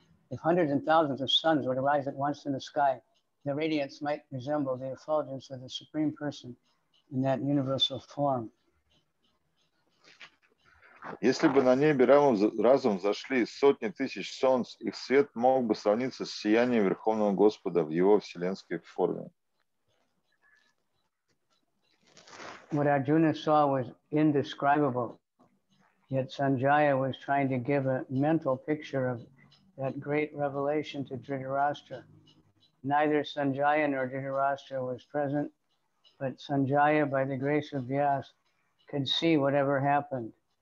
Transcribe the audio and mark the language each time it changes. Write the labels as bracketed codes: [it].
[en] If hundreds and thousands of suns were to rise at once in the sky, their radiance might resemble the effulgence of the Supreme Person in that universal form. [ru] Если бы на небе разом зашли сотни тысяч солнц, их свет мог бы сравниться с сиянием Верховного Господа в его вселенской форме. [en] What Arjuna saw was indescribable, yet Sanjaya was trying to give a mental picture of that great revelation to Dhritarashtra. Neither Sanjaya nor Dhritarashtra was present, but Sanjaya, by the grace of Vyas, could see whatever happened.